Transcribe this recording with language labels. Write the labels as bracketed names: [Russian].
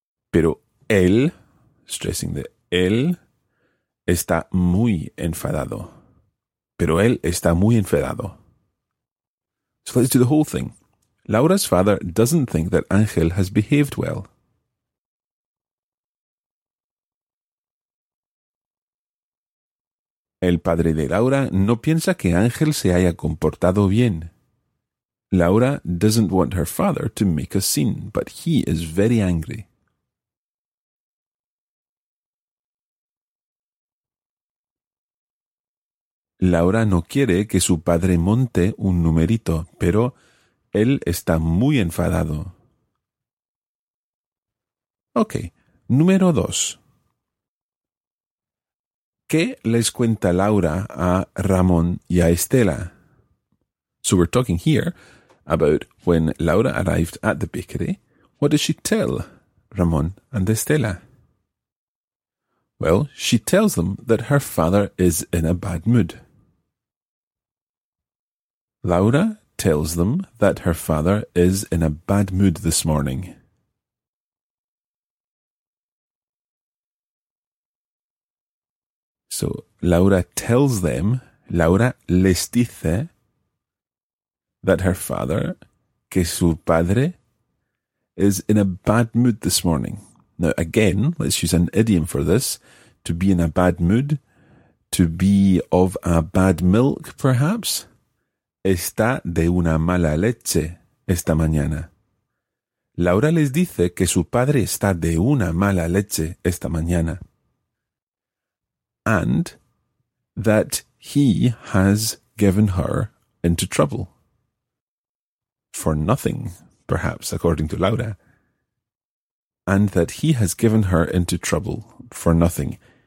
[Spanish] Pero él, [English] stressing the [Spanish] él, está muy enfadado. Pero él está muy enfadado. [English] So let's do the whole thing. Laura's father doesn't think that Ángel has behaved well. [Spanish] El padre de Laura no piensa que Ángel se haya comportado bien. [English] Laura doesn't want her father to make a scene, but he is very angry. [Spanish] Laura no quiere que su padre monte un numerito, pero él está muy enfadado. Ok, número 2. ¿Qué les cuenta Laura a Ramón y a Estela? [English] So we're talking here about when Laura arrived at the bakery. What does she tell Ramón and Estela? Well, she tells them that her father is in a bad mood. Laura tells them that her father is in a bad mood this morning. So, Laura tells them, [Spanish] Laura les dice, [English] that her father, [Spanish] que su padre, [English] is in a bad mood this morning. Now, again, let's use an idiom for this. To be in a bad mood, to be of a bad milk, perhaps. [Spanish] Está de una mala leche esta mañana. Laura les dice que su padre está de una mala leche esta mañana. [English] And that he has given her into trouble. For nothing, perhaps, according to Laura. And that he has given her into trouble for nothing.